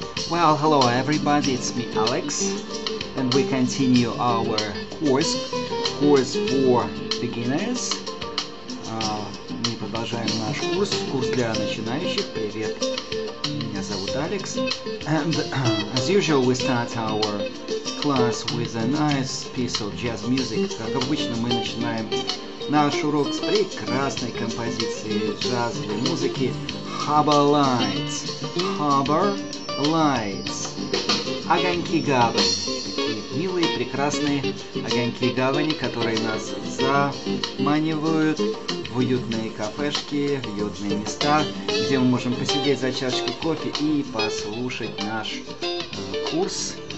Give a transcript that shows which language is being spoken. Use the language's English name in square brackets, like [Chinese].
[English] Well, hello everybody, it's me, Alex, and we continue our course for beginners. [Russian] Мы продолжаем наш курс для начинающих. Привет, меня зовут Alex. [English] And as usual, we start our class with a nice piece of jazz music. [Russian] Как обычно, мы начинаем наш урок с прекрасной композиции джазовой музыки Harbor Lights. Harbor Lights. Огоньки гавани. Такие милые, прекрасные огоньки гавани, которые нас заманивают в уютные кафешки, в уютные места, где мы можем посидеть за чашкой кофе и послушать наш курс.